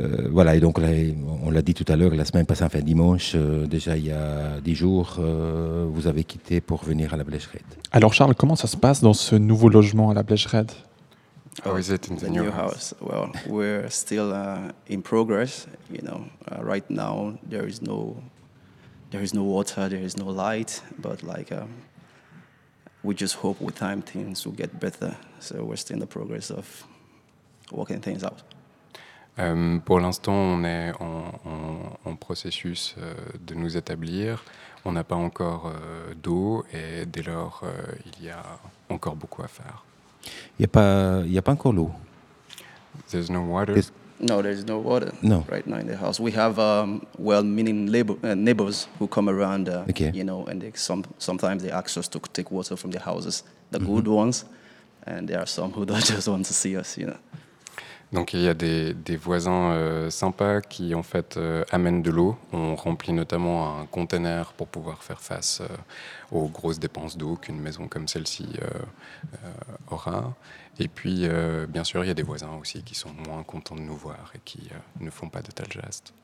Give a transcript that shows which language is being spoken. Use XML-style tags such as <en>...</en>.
<fr>Voilà, et donc là, on l'a dit tout à l'heure, la semaine passée, enfin dimanche, déjà il y a 10 jours, vous avez quitté pour venir à la Blecherette. Alors Charles, comment ça se passe dans ce nouveau logement à la Blecherette?</fr> <en>Oh, is it in the new house? Well, we're still in progress, you know. Right now, there is no water, there is no light, but like we just hope with time things will get better. So we're still in the progress of working things out.</en> <fr>Pour l'instant, on est en processus de nous établir. On n'a pas encore d'eau et dès lors, il y a encore beaucoup à faire. Il y a pas encore l'eau.</fr> <en>There's no water. No, there's no water. Right now in the house. We have well-meaning neighbors who come around, okay. You know, and sometimes they ask us to take water from their houses, the mm-hmm. good ones, and there are some who just want to see us, you know.</en> <fr>Donc il y a des voisins sympas qui en fait amènent de l'eau. On remplit notamment un conteneur pour pouvoir faire face aux grosses dépenses d'eau qu'une maison comme celle-ci aura. Et puis bien sûr il y a des voisins aussi qui sont moins contents de nous voir et qui ne font pas de tels gestes.</fr>